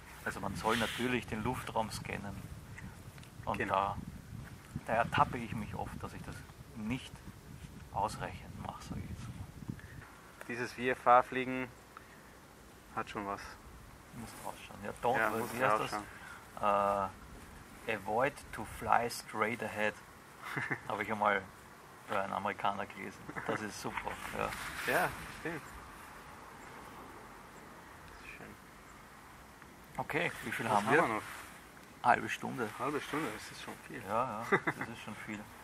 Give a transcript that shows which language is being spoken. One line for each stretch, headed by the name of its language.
German: Also man soll natürlich den Luftraum scannen und da ertappe ich mich oft, dass ich das nicht ausreichend mache, sage ich. Dieses VFA-Fliegen hat schon was. Muss rausschauen. Ja,
English: don't
German: ja, muss das?
English: Avoid to fly straight ahead.
German: Habe ich einmal bei einem Amerikaner gelesen. Das ist super. Ja, stimmt. Schön. Okay, wie viel haben wir? Noch? Halbe Stunde. Halbe Stunde, das ist schon viel. Ja, das ist schon viel.